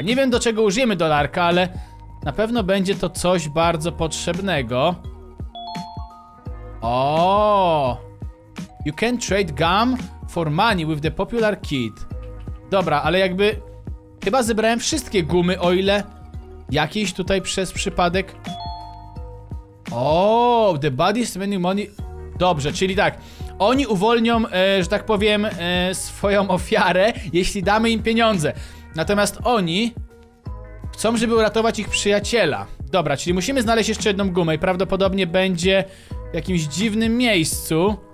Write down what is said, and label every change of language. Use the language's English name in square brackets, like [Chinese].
[Polish] Nie wiem, do czego użyjemy dolarka, ale... Na pewno będzie to coś bardzo potrzebnego. [English] Oh, you can trade gum for money with the popular kid. [Polish] Dobra, ale jakby chyba zebrałem wszystkie gumy, o ile jakieś tutaj przez przypadek. [English] Oh, the buddy spending money. [Polish] Dobrze, czyli tak, oni uwolnią, że tak powiem, swoją ofiarę, jeśli damy im pieniądze. Natomiast oni chcą, żeby uratować ich przyjaciela. Dobra, czyli musimy znaleźć jeszcze jedną gumę i prawdopodobnie będzie w jakimś dziwnym miejscu.